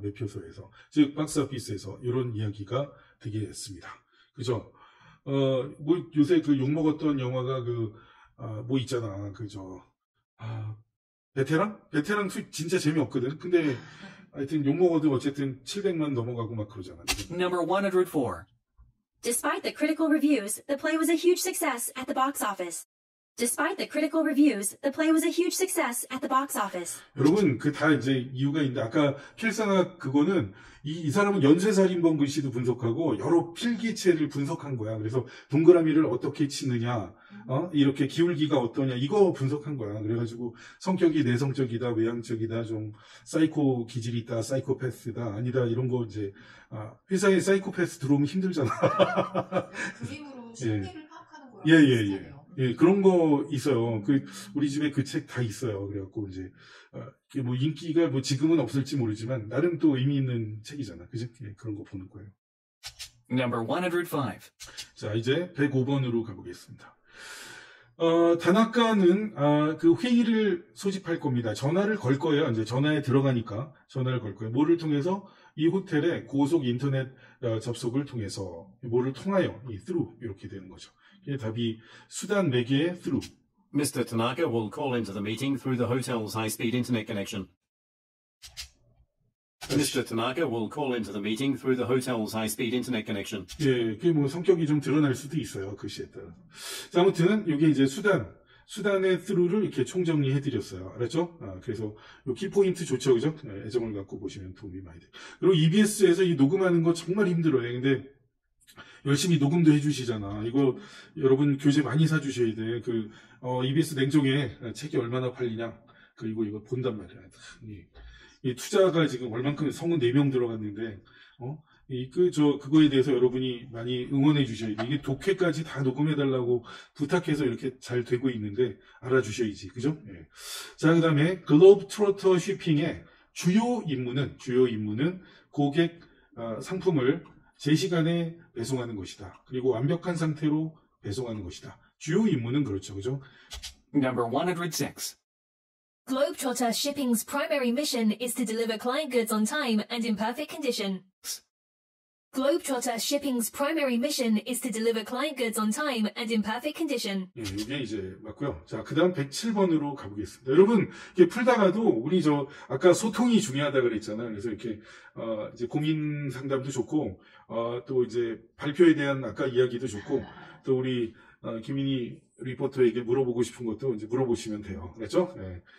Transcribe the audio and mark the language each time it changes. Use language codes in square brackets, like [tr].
[ko] 매표소에서 즉 박스오피스에서 이런 이야기가 되게 됐습니다. 그죠? 뭐 요새 그 욕먹었던 영화가 그 뭐 있잖아, 그죠. 베테랑? 베테랑 투 진짜 재미없거든. 근데, 하여튼 욕먹어도 어쨌든 700만 넘어가고 막 그러잖아. [en] Number 104. Despite the critical reviews, the play was a huge success at the box office. Despite the critical reviews, the play was a huge success at the box office. [ko] 여러분, 그 다 이제 이유가 있는데, 아까 필상학 그거는 이 사람은 연쇄살인범 글씨도 분석하고 여러 필기체를 분석한 거야. 그래서 동그라미를 어떻게 치느냐, 이렇게 기울기가 어떠냐, 이거 분석한 거야. 그래가지고 성격이 내성적이다, 외향적이다, 좀 사이코 기질이 있다, 사이코패스다, 아니다, 이런 거 이제, 회사에 사이코패스 들어오면 힘들잖아. 그림으로 심리를 파악하는 거야. 예. 예, 그런 거 있어요. 우리 집에 그 책 다 있어요. 그래갖고, 이제, 뭐, 인기가 뭐, 지금은 없을지 모르지만, 나름 또 의미 있는 책이잖아. 그죠? 예, 그런 거 보는 거예요. [en] Number 105. [ko] 자, 이제 105번으로 가보겠습니다. 다나카는, 그 회의를 소집할 겁니다. 전화를 걸 거예요. 이제 전화에 들어가니까 전화를 걸 거예요. 뭐를 통해서? 이 호텔에 고속 인터넷 접속을 통해서, 뭐를 통하여, through, 이렇게 되는 거죠. 예, 답이 수단 매개의 through. [en] Mr. Tanaka will call into the meeting through the hotel's high-speed internet connection. Mr. Tanaka will call into the meeting through the hotel's high-speed internet connection. [ko] 예, 그게 뭐 성격이 좀 드러날 수도 있어요, 글씨에 따라. 자, 아무튼 이게 이제 수단, 수단의 through를 이렇게 총정리해드렸어요. 알았죠? 아, 그래서 요 키포인트 좋죠, 그죠? 네, 애정을 갖고 보시면 도움이 많이 돼. 그리고 EBS에서 이 녹음하는 거 정말 힘들어요. 근데 열심히 녹음도 해주시잖아. 이거 여러분 교재 많이 사주셔야 돼. 그 EBS 냉정에 책이 얼마나 팔리냐. 그리고 이거 본단 말이야. 이 투자가 지금 얼만큼 성은 4명 들어갔는데 그거에 대해서 여러분이 많이 응원해 주셔야 돼. 이게 독회까지 다 녹음해 달라고 부탁해서 이렇게 잘 되고 있는데 알아주셔야지, 그죠? 예. 자, 그 다음에 글로브트로터 쇼핑의 주요 임무는 고객 상품을 제시간에 배송하는 것이다. 그리고 완벽한 상태로 배송하는 것이다. 주요 임무는 그렇죠, 그죠? [en] Number 106. Globetrotter Shipping's primary mission is to deliver client goods on time and in perfect condition. Globetrotter Shipping's primary mission is to deliver client goods on time and in perfect condition. [ko] 네, 이게 이제 맞고요. 자, 그다음 107번으로 가보겠습니다. 여러분, 이게 풀다가도 우리 저 아까 소통이 중요하다 그랬잖아요. 그래서 이렇게 이제 고민 상담도 좋고 또 이제 발표에 대한 아까 이야기도 좋고 또 우리 김인희 리포터에게 물어보고 싶은 것도 이제 물어보시면 돼요. 그렇죠? 예.